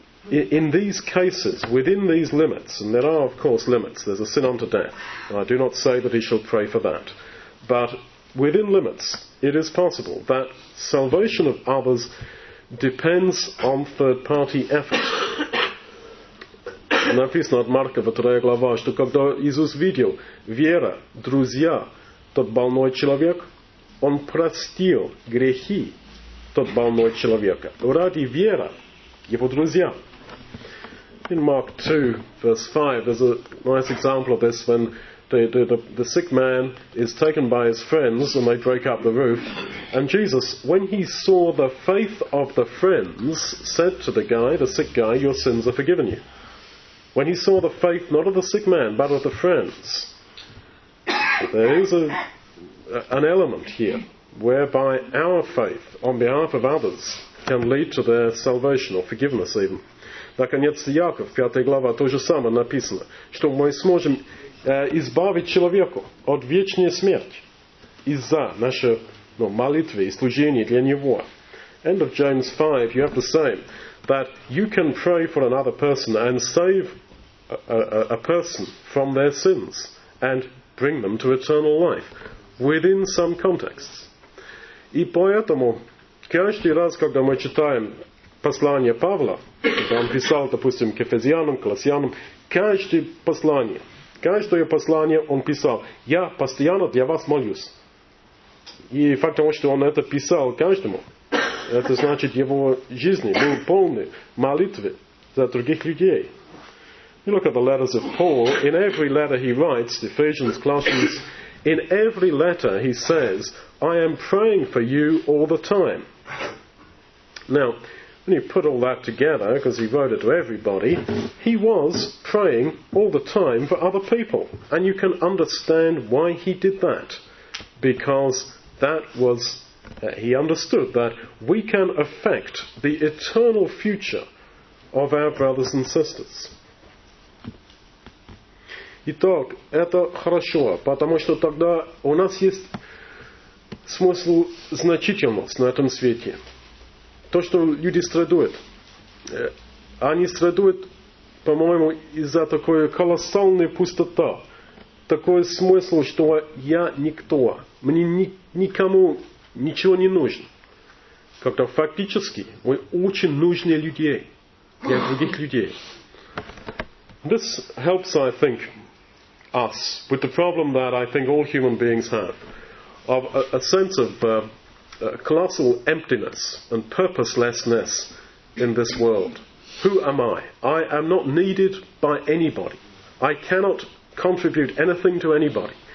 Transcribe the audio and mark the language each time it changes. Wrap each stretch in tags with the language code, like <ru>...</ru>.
<en>In these cases, within these limits, and there are, of course, limits, there's a sin unto death. I do not say that he shall pray for that. But within limits, it is possible that salvation of others depends on third-party effort.</en> <ru>Написано от Марка, 2 глава, что когда Иисус видел вера, друзья, тот больной человек, он простил грехи тот больной человека ради вера его друзья.</ru> <en>In Mark 2, verse 5, there's a nice example of this when the sick man is taken by his friends and they break up the roof. And Jesus, when he saw the faith of the friends, said to the guy, the sick guy, "Your sins are forgiven you." When he saw the faith, not of the sick man, but of the friends. There is an element here whereby our faith on behalf of others can lead to their salvation or forgiveness even.</en> <ru>Наконец, Яков, 5 глава, то же самое написано, что мы сможем избави человека от вечной смерти из-за нашей молитвы и служения для Него.</ru> <en>End of James 5, you have the same, that you can pray for another person and save a person from their sins and bring them to eternal life within some contexts.</en> <ru>И поэтому каждый раз, когда мы читаем послание Павла, когда он писал, допустим, к Ефезянам, Колоссянам, каждое послание он писал, я постоянно для вас молюсь. И факт того, что он это писал каждому, это значит, его жизни были полны молитвы за других людей.</ru> <en>You look at the letters of Paul. In every letter he writes, Ephesians, Colossians, in every letter he says, I am praying for you all the time. Now, when you put all that together, because he wrote it to everybody, he was praying all the time for other people. And you can understand why he did that. Because that was, he understood that we can affect the eternal future of our brothers and sisters.</en> <ru>Итак, это хорошо, потому что тогда у нас есть смысл значительность на этом свете. То, что люди страдают, они страдают, по-моему, из-за такой колоссальной пустоты. Такой смысл, что я никто, мне никому ничего не нужно. Как-то фактически мы очень нужны людей, для других людей.</ru> <en>This helps, I think, us with the problem that I think all human beings have of a sense of colossal emptiness and purposelessness in this world. Who am I? I am not needed by anybody. I cannot contribute anything to anybody.</en>